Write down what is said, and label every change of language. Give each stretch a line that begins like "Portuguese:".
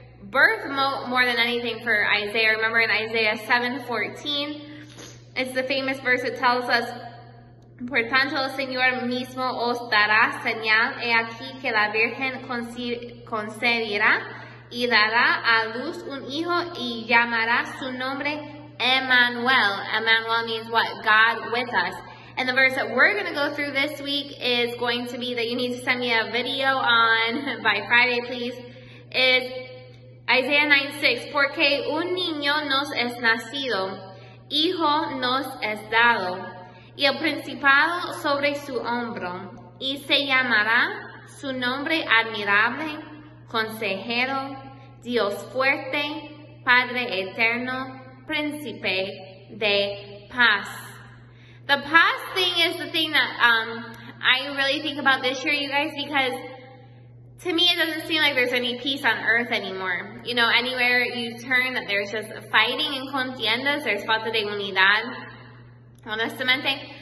English: Birth more than anything for Isaiah. Remember in Isaiah 7:14, it's the famous verse that tells us,
Spanish: Por tanto, el Señor mismo os dará señal, he aquí que la Virgen concebirá y dará a luz un hijo y llamará su nombre Emmanuel.
English: Emmanuel means what? God with us. And the verse that we're going to go through this week is going to be that you need to send me a video on by Friday, please, is Isaiah 9:6.
Spanish: Porque un niño nos es nacido, hijo nos es dado, y el principado sobre su hombro, y se llamará su nombre admirable, consejero, Dios fuerte, Padre eterno, príncipe de paz.
English: The paz thing is the thing that I really think about this year, you guys, because to me it doesn't seem like there's any peace on earth anymore. You know, anywhere you turn that there's just fighting and contiendas, there's
Spanish: falta de unidad, honestamente.